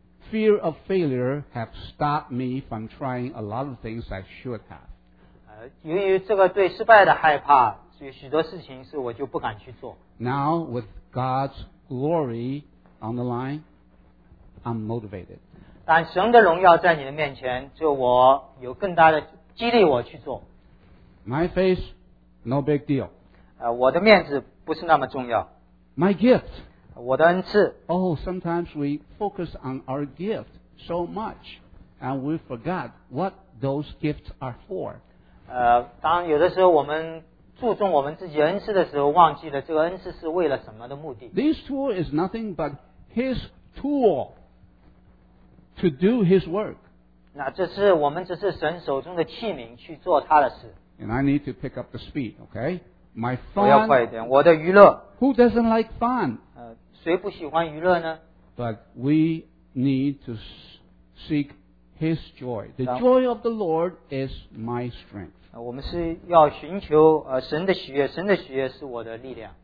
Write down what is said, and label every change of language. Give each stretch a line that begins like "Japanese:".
English: fear of failure have stopped me from trying a lot of things I should have.
Chinese: 由于这个对失败的害怕，所以许多事情是我就不敢去做。
English: Now with God's glory on the line, I'm motivated.
Chinese: 但神的荣耀在你的面前，就我有更大的激励我去做。
English: My face, no big deal.
Chinese: 我的面子不是那么重要。
English: My gift.
Chinese: 我的恩赐。
English: Oh, sometimes we focus on our gift so much, and we forgot what those gifts are for.
Chinese: 当有的时候我们注重我们自己恩赐的时候，忘记了这个恩赐是为了什么的目的。
English: This tool is nothing but His tool to do His work.
Chinese: 那这是我们只是神手中的器皿去做他的事。
English: And I need to pick up the speed, okay? My fun.
Chinese: 我要快一点，我的娱乐。
English: Who doesn't like fun?
Chinese: 谁不喜欢娱乐呢?
English: But we need to seek His joy. The joy of the Lord is my strength.
Chinese: 我们是要寻求神的喜悦，神的喜悦是我的力量。